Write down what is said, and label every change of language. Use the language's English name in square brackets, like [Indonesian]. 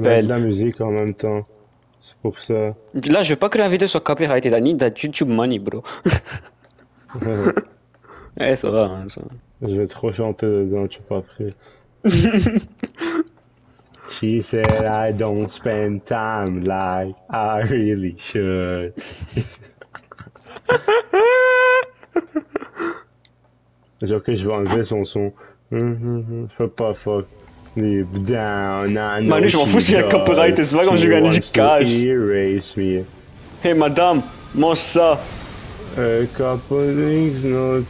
[French] Je vais mettre de la musique en même temps. C'est pour ça. Là, je veux pas que la vidéo soit copyrighted. [English] I need that YouTube money, bro. [French] Eh, ça va, hein, ça. Je vais trop chanter dedans, tu peux après. [English] She said I don't spend time like I really should. [French] C'est sûr que je vais enlever son son. Je peux pas fuck. [English] Deep down, I know. [French] Manu, je m'en fous si y'a copyright, c'est pas comme je gagne du cash. [English] Erase me. [French] Hey madame, mange ça. [English] A couple things not